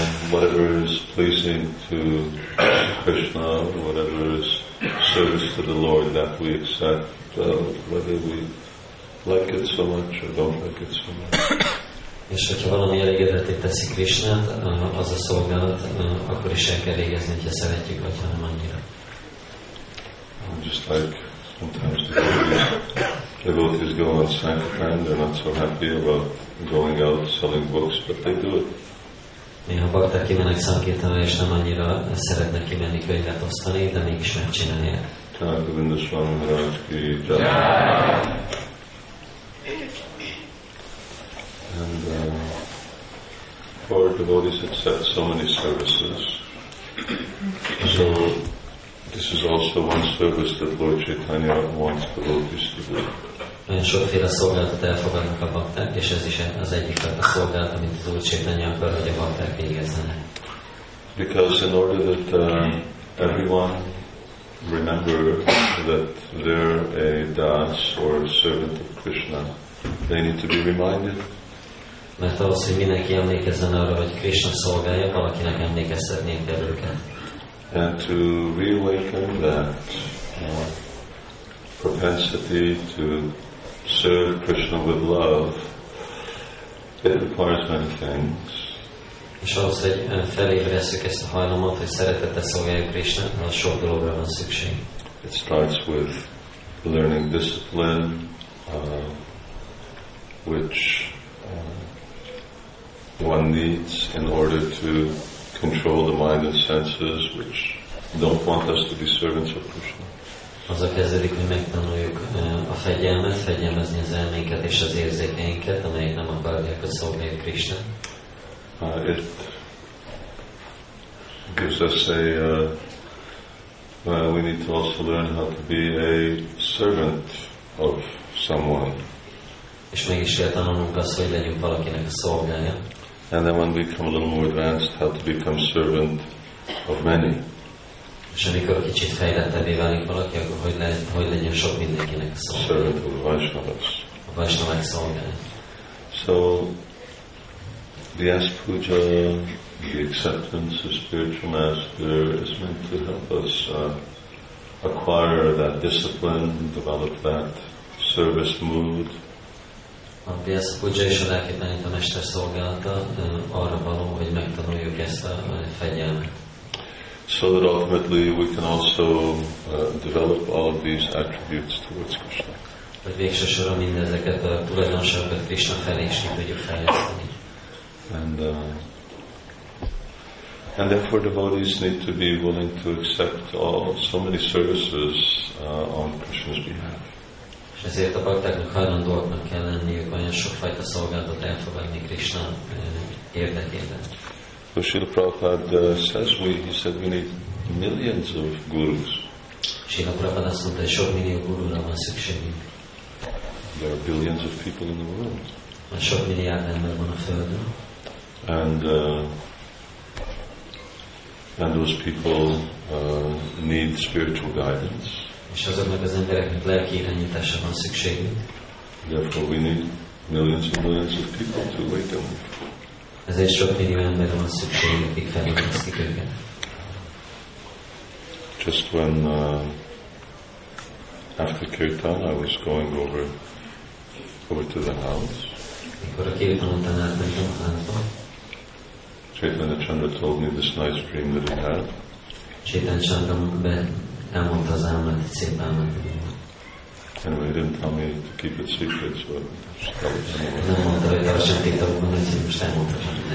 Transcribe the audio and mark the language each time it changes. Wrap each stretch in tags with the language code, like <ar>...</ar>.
<en>Whatever is pleasing to Krishna, whatever is service to the Lord, that we accept, whether we like it so much or don't like it so much.</en> <hu>És hogyha valami elégedetté teszi Krishnát, az a szolgálat, akkor is el kell végezni, hogyha szeretjük, vagy ha nem annyira.</hu> <en>Just like sometimes the devotees go on sankirtan, they're not so happy about going out selling books, but they do it.</en> <hu>Néha bakták kimenek szankirtanára, és nem annyira szeretnek kimenni könyvet osztani, de mégis megcsinálják.</hu> <en>Tehát Govinda Swami Maharaj ki and for devotees accept so many services. So this is also one service that Lord Chaitanya wants devotees to do.</en> <hu>Nagyon sokféle szolgálatot elfogadnak a bakták, és ez is az egyik a szolgálat, amit az Úr Chaitanya akar, hogy a bakták végezzenek.</hu> <en>Because in order that everyone remember that they're a das or a servant of Krishna, they need to be reminded.</en> <hu>Mert ahhoz, hogy mindenki emlékezzen arra, hogy Krishna szolgálja, valakinek emlékeztetnénk kell őket.</hu> <en>And to reawaken that propensity to serve Krishna with love, it requires many things.</en> <hu>És ahhoz, hogy felébresszük ezt a hajlamot, hogy szeretettel szolgáljuk Krishnát, az sok dologra van szükség.</hu> <en>It starts with learning discipline, which one needs in order to control the mind and senses, which don't want us to be servants of Krishna.</en> <hu>Az a kezdődik, hogy megtanuljuk a fegyelmet, fegyelmezni az elménket és az érzékeinket, amelyek personae di Krishna.</hu> <en>It gives us a we need to also learn how to be a servant of someone.</en> <hu>És mégis kell tanulnunk azt, hogy legyünk valakinek a szolgája.</hu> <en>And then when we become a little more advanced, how to become servant of many.</en> <hu>És amikor kicsit fejlettebbé válik valaki, akkor hogy legyen sok mindenkinek a szolgája.</hu> <en>Servant of Vaishnavas.</en> <hu>A Vaishnavák szolgája.</hu> <en>So, Vyasa Puja, the acceptance of spiritual master, is meant to help us acquire that discipline, develop that service mood.</en> <hu>A Vyasa Puja és a lelkipenit a mester szolgálata arra való, hogy megtanuljuk ezt a fegyelmet.</hu> <en>So that ultimately we can also develop all of these attributes towards Krishna.</en> <hu>Hogy végső soron mindezeket a tulajdonságokat Krishna felé is ki tudjuk fejleszteni.</hu> <en>And therefore devotees need to be willing to accept all so many services on Krishna's behalf.</en> <hu>És ezért a baktáknak hajlandóaknak kell lenniük olyan sokfajta szolgálatot elfogadni Krishna érdekében.</hu> <en>So Srila Prabhupada says he said we need millions of gurus.</en> <hu>Srila Prabhupada azt mondta, hogy sok millió gurúra van szükségünk.</hu> <en>There are billions of people in the world.</en> <hu>A sok milliárd ember van a Földön.</hu> <en>And those people need spiritual guidance.</en> <hu>És azoknak az embereknek lelki irányításra van szükségünk.</hu> <en>Therefore we need millions and millions of people to wait on.</en> <hu>Ezért sok millió emberre van szükségünk, akik felmagasztik őket.</hu> <en>Just when after Kirtan I was going over to the house.</en> <hu>Mikor a Kirtan után átmentem a házba.</hu> <en>Chaitanya Chandra told me this nice dream that he had.</en> <hu>Chaitanya Chandra elmondta az álmát, egy szép álmát.</hu> <en>Anyway, he didn't tell me to keep it secret, so</en> <hu>nem mondta, hogy tartsam titokban, hogy most elmondhatom.</hu>